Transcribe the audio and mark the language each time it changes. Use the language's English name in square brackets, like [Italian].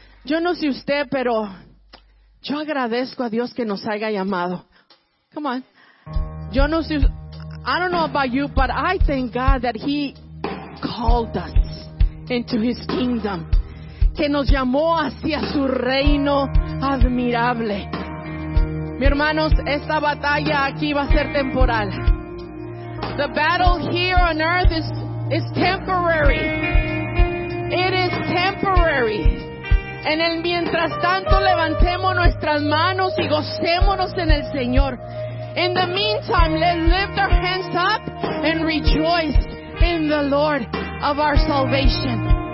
[Spanish] Yo no sé usted, pero yo agradezco a Dios que nos haya llamado. [English] Come on. [Spanish] Yo no sé, [English] I don't know about you, but I thank God that He called us into His kingdom. [Spanish] Que nos llamó hacia su reino admirable. Mi hermanos, esta batalla aquí va a ser temporal. [English] The battle here on earth is temporary. It is temporary. [Spanish] En el mientras tanto, levantemos nuestras manos y gocémonos en el Señor. [English] In the meantime, let's lift our hands up and rejoice in the Lord of our salvation.